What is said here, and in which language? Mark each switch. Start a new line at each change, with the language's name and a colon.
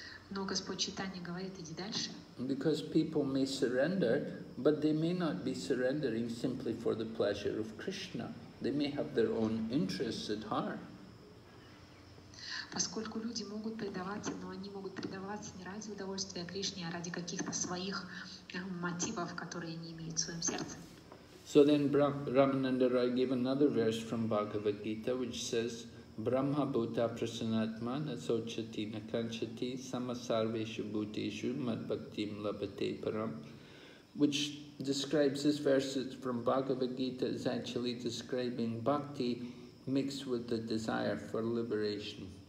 Russian: Но Господь Читания говорит, иди дальше.
English: Because people may surrender, but they may not be surrendering simply for the pleasure of Krishna. They may have their own interests at heart.
Russian: Поскольку люди могут предаваться, но они могут предаваться не ради удовольствия Кришне, а ради каких-то своих мотивов, которые они имеют в своем сердце.
English: So then Ramananda Rai gave another verse from Bhagavad Gita, which says,
Sanskrit: Brahma Bhuta Prasanatmana Sochati Nakanchati Samasarveshu Bhuteshu Mad Bhaktim Labhate Param,
English: which describes this verse from Bhagavad Gita, is actually describing bhakti mixed with the desire for liberation.